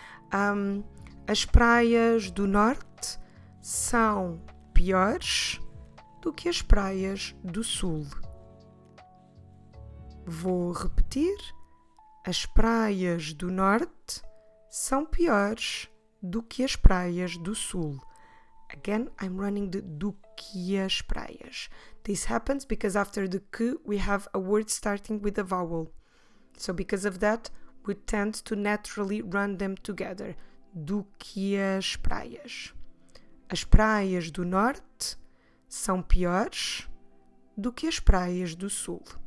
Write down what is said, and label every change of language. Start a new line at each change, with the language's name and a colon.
Portuguese: As praias do norte são piores do que as praias do sul. Vou repetir. As praias do norte são piores do que as praias do sul.
English: Again, I'm running the do que as praias. This happens because after the que, we have a word starting with a vowel. So because of that, we tend to naturally run them together.
Portuguese: Do que as praias. As praias do norte são piores do que as praias do sul.